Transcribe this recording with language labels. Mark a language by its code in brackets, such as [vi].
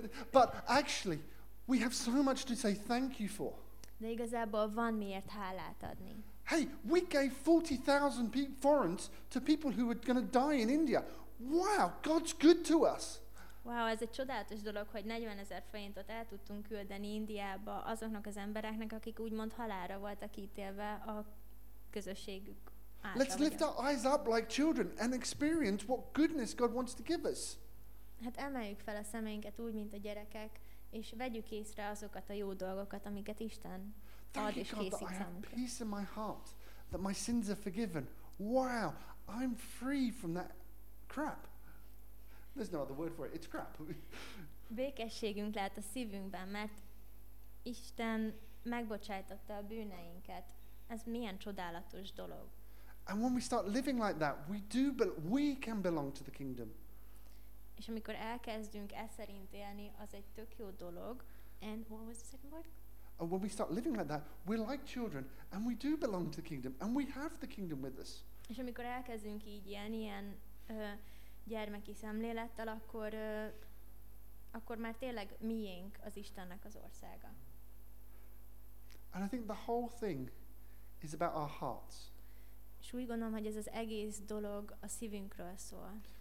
[en] but actually, we have so much to say thank you for. [hu] De igazából van miért hálát adni. [en] Hey, we gave 40,000 forints to people who were going to die in India. Wow, God's good to us. [hu] Wow, ez egy csodálatos dolog, hogy 40 ezer forintot el tudtunk küldeni Indiába azoknak az embereknek, akik úgymond halálra voltak ítélve a közösségük által. [en] Let's lift our eyes up like children and experience what goodness God wants to give us. [hu] Hát emeljük fel a szemeinket úgy, mint a gyerekek, és vegyük észre azokat a jó dolgokat, amiket Isten ad és készít számunkra. [en] Thank you, God, that I have peace in my heart, that my sins are forgiven. Wow, I'm free from that crap. There's no other word for it. It's crap. [hu] Békességünk lehet a szívünkben, mert Isten megbocsájtotta a bűneinket. Ez milyen csodálatos dolog. [en] And when we start living like that, we can belong to the kingdom. [hu] És amikor elkezdünk e szerint élni, az egy tök jó dolog. [en] And what was the second word? And when we start living like that, we're like children, and we do belong to the kingdom, and we have the kingdom with us. [hu] És amikor elkezdünk így ilyen gyermeki szemlélettel, akkor már tényleg miénk az Istennek az országa. [en] And I think the whole thing is about our hearts. [hu] És úgy gondolom, hogy ez az egész dolog a szívünkről szól.